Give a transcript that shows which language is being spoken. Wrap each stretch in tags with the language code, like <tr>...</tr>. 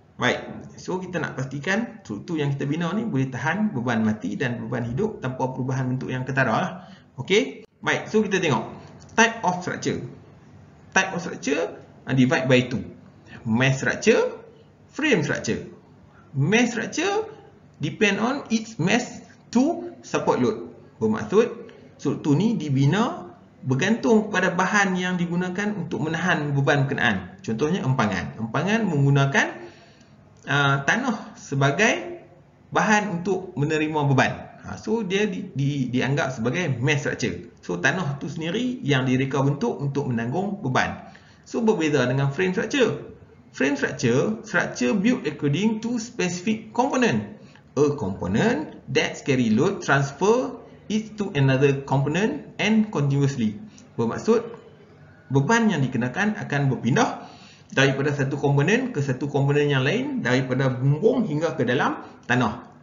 <ms>Baik, so kita nak pastikan struktur yang kita bina ni boleh tahan beban mati dan beban hidup tanpa perubahan bentuk yang ketara lah. Okay, baik, so kita tengok.</ms> <en>Type of structure. Type of structure divide by two. Mass structure, frame structure. Mass structure depend on its mass to support load.</en> <ms>Bermaksud, struktur ni dibina bergantung kepada bahan yang digunakan untuk menahan beban berkenaan. Contohnya empangan. Empangan menggunakan tanah sebagai bahan untuk menerima beban. Ha, so, dia dianggap sebagai mass structure. So, tanah tu sendiri yang direka bentuk untuk menanggung beban. So, berbeza dengan frame structure.</ms> <en>Frame structure, structure built according to specific component. A component that carry load transfer it to another component and continuously.</en> <ms>Bermaksud, beban yang dikenakan akan berpindah daripada satu komponen ke satu komponen yang lain, daripada bumbung hingga ke dalam tanah.</ms>